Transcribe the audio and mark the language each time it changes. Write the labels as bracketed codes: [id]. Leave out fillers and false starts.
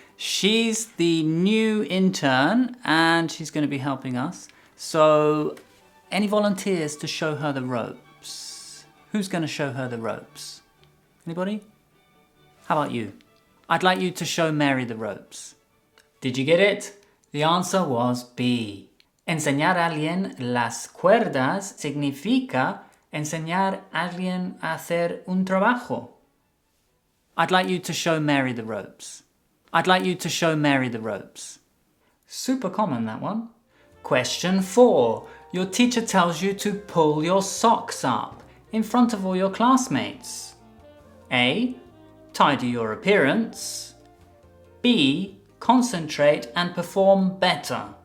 [en] She's the new intern and she's going to be helping us. So, any volunteers to show her the ropes? Who's going to show her the ropes? Anybody? How about you? I'd like you to show Mary the ropes. Did you get it? The answer was B. [es] Enseñar a alguien las cuerdas significa enseñar a alguien a hacer un trabajo. [en] I'd like you to show Mary the ropes. I'd like you to show Mary the ropes. Super common, that one. Question 4. Your teacher tells you to pull your socks up in front of all your classmates. A, tidy your appearance. B, concentrate and perform better.